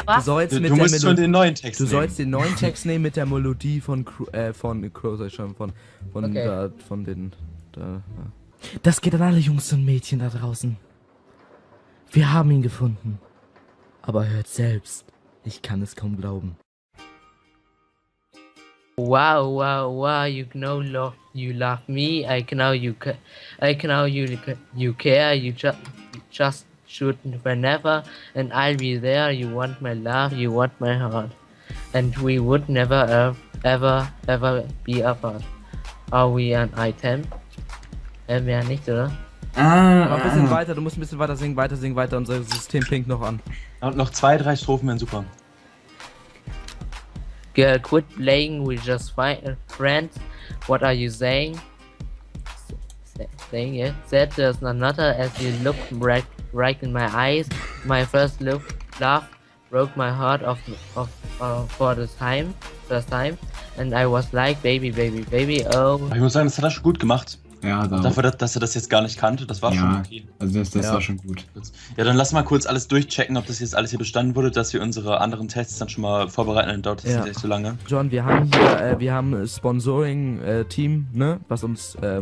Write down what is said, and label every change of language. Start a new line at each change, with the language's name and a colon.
German: Du sollst den neuen Text nehmen mit der Melodie von den. Das geht an alle Jungs und Mädchen da draußen. Wir haben ihn gefunden. Aber hört selbst, ich kann es kaum glauben.
English: Wow, you love me, I know you care, you just shoot whenever, and I'll be there, you want my love, you want my heart, and we would never ever be apart. Are we an item?
German: Wir nicht, oder? Ein bisschen weiter, du musst ein bisschen weiter singen, unser System pinkt noch an. Und noch zwei, drei Strophen wären super.
English: Girl, quit playing, we just friends. What are you saying? Saying it? Said there's another as you look right in my eyes. My first love broke my heart for the first time. And I was like, baby, oh.
German: Ich muss sagen, das hat er schon gut gemacht. Ja, dafür, dass er das jetzt gar nicht kannte, das war ja schon okay. Also das war schon gut. Ja, dann lass mal kurz alles durchchecken, ob das jetzt alles hier bestanden wurde, dass wir unsere anderen Tests dann schon mal vorbereiten, dann dauert das nicht echt so lange. John, wir haben hier, wir haben ein Sponsoring-Team, ne, was uns